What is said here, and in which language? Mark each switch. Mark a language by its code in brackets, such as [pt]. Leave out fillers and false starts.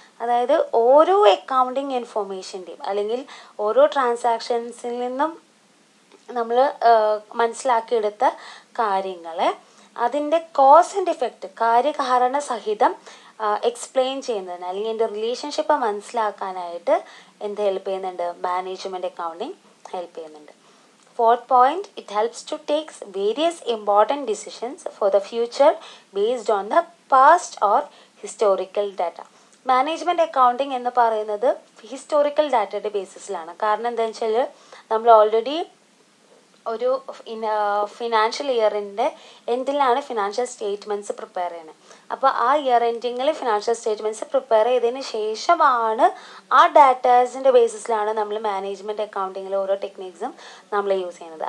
[ml] അതായത് ഓരോ അക്കൗണ്ടിങ് ഇൻഫോർമേഷൻ്റെയും അല്ലെങ്കിൽ ഓരോ ട്രാൻസാക്ഷൻസിൽ നിന്നും നമ്മൾ മനസ്സിലാക്കിയെടുത്ത കാര്യങ്ങളെ അതിൻ്റെ കോസ് ആൻഡ് ഇഫക്റ്റ് കാര്യകാരണ സഹിതം എക്സ്പ്ലെയിൻ ചെയ്യുന്നതിന് അല്ലെങ്കിൽ എൻ്റെ റിലേഷൻഷിപ്പ് മനസ്സിലാക്കാനായിട്ട് എന്ത് ഹെൽപ്പ് ചെയ്യുന്നുണ്ട്, മാനേജ്മെൻറ്റ് അക്കൗണ്ടിങ് ഹെൽപ്പ് ചെയ്യുന്നുണ്ട്. [en] Fourth point, it helps to take various important decisions for the future based on the past or historical data. [ml] Management accounting എന്ന് പറയുന്നത് historical data-യുടെ ബേസിസിലാണ്. കാരണം എന്താണെന്ന് വെച്ചാൽ നമ്മൾ ഓൾറെഡി ഒരു ഫിനാൻഷ്യൽ ഇയറിൻ്റെ എൻഡിലാണ് ഫിനാൻഷ്യൽ സ്റ്റേറ്റ്മെൻറ്റ്സ് പ്രിപ്പയർ ചെയ്യുന്നത്. അപ്പോൾ ആ ഇയർ എൻഡിങ്ങിൽ ഫിനാൻഷ്യൽ സ്റ്റേറ്റ്മെൻറ്റ്സ് പ്രിപ്പയർ ചെയ്തതിന് ശേഷമാണ് ആ ഡാറ്റാസിൻ്റെ ബേസിസിലാണ് നമ്മൾ മാനേജ്മെൻറ്റ് അക്കൗണ്ടിങ്ങിലെ ഓരോ ടെക്നീക്സും നമ്മൾ യൂസ് ചെയ്യുന്നത്.